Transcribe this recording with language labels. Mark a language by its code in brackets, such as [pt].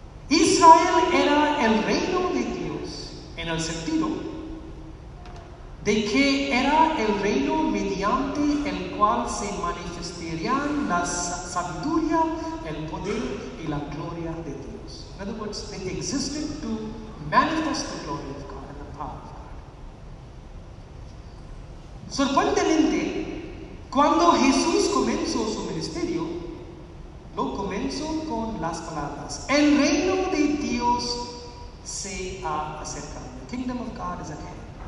[es] Israel era el reino de Dios en el sentido de que era el reino mediante el cual se manifestarían la sabiduría, el poder y la gloria de Dios. [en] In other words, they existed to manifest the glory of God and the power of God. [es] Sorprendentemente, cuando Jesús comenzó su ministerio, lo comenzó con las palabras: el reino de Dios se ha acercado. [en] The kingdom of God is at hand.